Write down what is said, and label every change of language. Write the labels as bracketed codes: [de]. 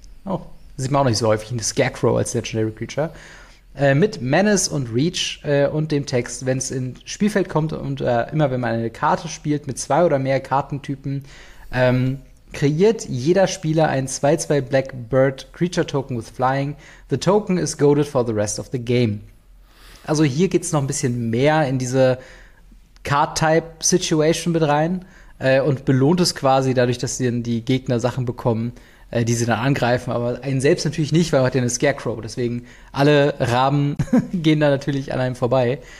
[de] Oh, sieht man auch nicht so häufig, ein Scarecrow als Legendary Creature. Mit Menace und Reach und dem Text, wenn es ins Spielfeld kommt und immer wenn man eine Karte spielt mit zwei oder mehr Kartentypen, kreiert jeder Spieler ein [en] 2-2 Black Bird Creature Token with Flying. The Token is goaded for the rest of the game. [de] Also hier geht's noch ein bisschen mehr in diese Card-Type-Situation mit rein und belohnt es quasi dadurch, dass die Gegner Sachen bekommen, die sie dann angreifen, aber einen selbst natürlich nicht, weil man hat ja eine Scarecrow. Deswegen alle Raben gehen da natürlich an einem vorbei.